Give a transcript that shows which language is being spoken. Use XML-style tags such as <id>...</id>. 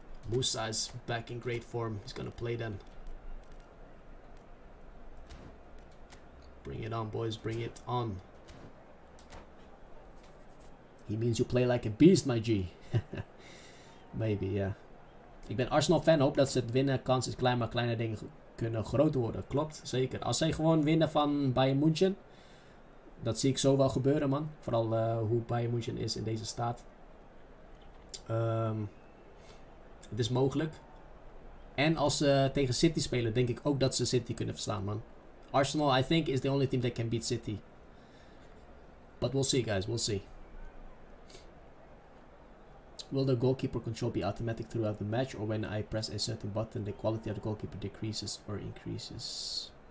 <en>Musa is back in great form. He's gonna play then. Bring it on, boys. Bring it on. He means you play like a beast, my G. Maybe, yeah.</en> <nl>Ik ben Arsenal fan. Hoop dat ze het winnen. Kans is klein, maar kleine dingen kunnen groot worden. Klopt, zeker. Als zij gewoon winnen van Bayern München. Dat zie ik zo wel gebeuren, man. Vooral hoe Bayern München is in deze staat. Het is mogelijk. En als ze tegen City spelen, denk ik ook dat ze City kunnen verslaan, man.</nl> <en>Arsenal, I think, is the only team that can beat City. But we'll see, guys. We'll see. Will the goalkeeper control be automatic throughout the match? Or when I press a certain button, the quality of the goalkeeper decreases or increases?</en>